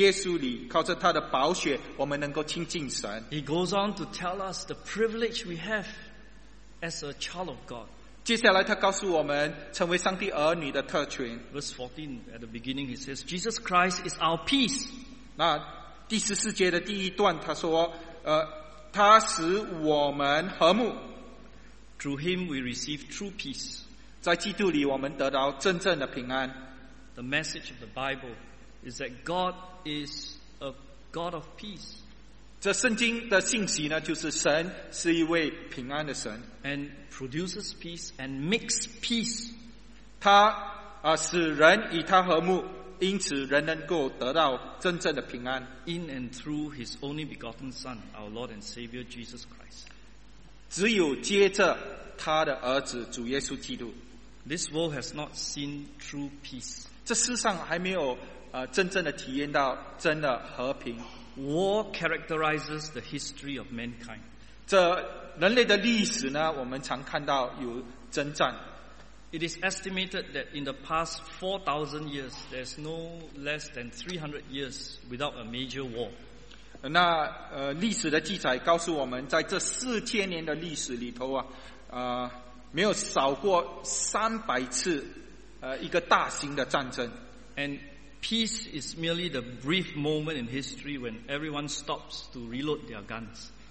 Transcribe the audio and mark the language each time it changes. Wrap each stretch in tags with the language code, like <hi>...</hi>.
<zh>如今在基督耶稣里靠着他的宝血我们能够亲近神。</zh> <en>He goes on to tell us the privilege we have as a child of God.</en> <zh>接下来他告诉我们成为上帝儿女的特权。</zh> <en>Verse 14, at the beginning he says, Jesus Christ is our peace.</en> <zh>那第十四节的第一段他说，他使我们和睦。</zh> <en>Through him we receive true peace.</en> <zh>在基督里我们得到真正的平安。</zh> <en>The message of the Bible is that God is a God of peace.</en> <zh>这圣经的信息呢, 就是神是一位平安的神,</zh> <en>and produces peace and makes peace.</en> <zh>他, 使人与他和睦, 因此人能够得到真正的平安,</zh> <en>in and through his only begotten Son, our Lord and Savior Jesus Christ.</en> <zh>只有接着他的儿子主耶稣基督,</zh> <en>this world has not seen true peace.</en> <zh>这世上还没有, 真正的体验到真的和平。</zh> <en>War characterizes the history of mankind.</en> <zh>这人类的历史呢, 我们常看到有征战。</zh> <en>It is estimated that in the past 4,000 years, there's no less than 300 years without a major war.</en> <zh>那, 历史的记载告诉我们, 在这4000年的历史里头啊, 没有少过300次, 一个大型的战争。</zh> <en>And peace is merely the brief moment in history when everyone stops to reload their guns.</en>